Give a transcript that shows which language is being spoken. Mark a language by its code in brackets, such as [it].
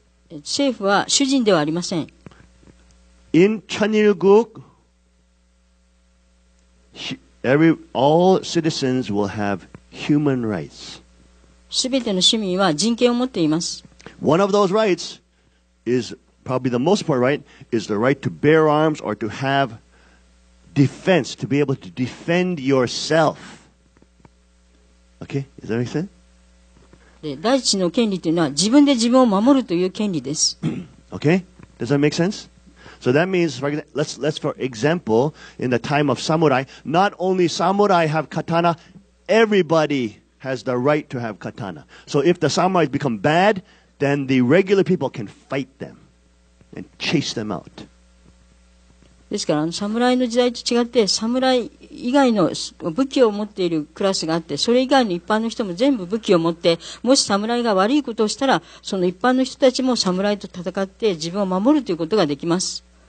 [ja] 政府は主人ではありません。 [en] In Chanilguk, all citizens will have human rights. [ja] 全ての市民は人権を持っています。 [en] One of those rights is probably the most important right is the right to bear arms or to haveDefense, to be able to defend yourself. Okay, is that what you said? [ja] 第一の権利というのは自分で自分を守るという権利です。 [en] Okay, does that make sense? So that means, let's for example, in the time of samurai, not only samurai have katana, everybody has the right to have katana. So if the samurai become bad, then the regular people can fight them and chase them out. [ja] ですから、侍の時代と違って、侍以外の武器を持っているクラスがあって、それ以外の一般の人も全部武器を持って、もし侍が悪いことをしたら、その一般の人たちも侍と戦って自分を守るということができます。